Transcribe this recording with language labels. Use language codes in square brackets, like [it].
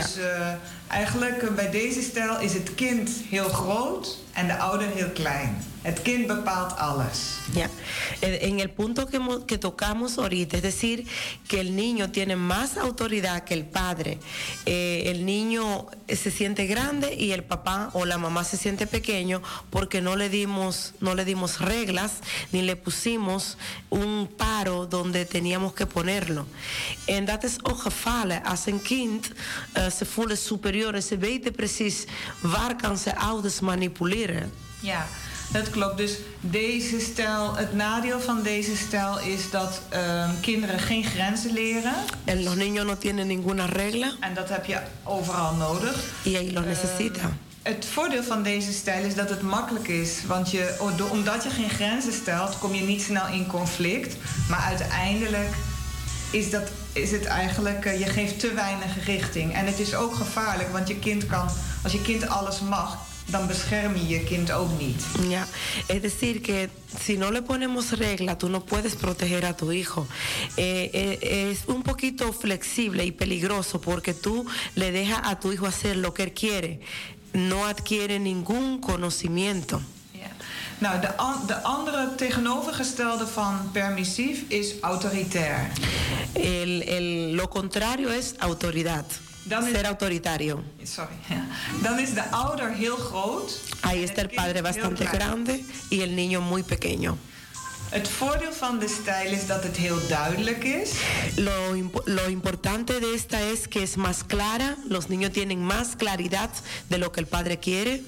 [nl] Dus eigenlijk bij deze stijl is het kind heel groot en de ouder heel klein. Het kind bepaalt alles. Ja. [es] En el punto que tocamos ahorita, es decir, que el niño tiene más autoridad que el padre. El niño se siente grande y el papá o la mamá se siente pequeño porque no le dimos reglas ni le pusimos un paro donde teníamos que ponerlo. [nl] En dat is ook gevallen als een kind se voelen superior, ze weten precies waar kan ze ouders manipuleren. Ja. Dat klopt. Dus deze stijl, het nadeel van deze stijl is dat kinderen geen grenzen leren. [es] En los niños no tienen ninguna regla. [nl] En dat heb je overal nodig. [es] Y ahí lo necesita. [nl] Het voordeel van deze stijl is dat het makkelijk is. Want omdat je geen grenzen stelt, kom je niet snel in conflict. Maar uiteindelijk is het eigenlijk je geeft te weinig richting. En het is ook gevaarlijk, want je kind kan, als je kind alles mag, dan bescherm je je kind ook niet. [es] Ja, es decir que si no le ponemos regla, tú no puedes proteger a tu hijo. Es un poquito flexible y peligroso porque tú le dejas a tu hijo hacer lo que él quiere. No adquiere ningún conocimiento. [nl] Ja. Nou, de andere tegenovergestelde van permissief is autoritair. [es] Lo contrario es autoridad. Ser autoritario. Sorry. [nl] Dan is de ouder heel groot. [es] Ahí está el padre bastante grande y el niño muy pequeño. [nl] Het voordeel van de stijl is dat het heel duidelijk is. [es] Lo importante de esta es que es más clara. Los niños tienen más claridad de lo que el padre quiere.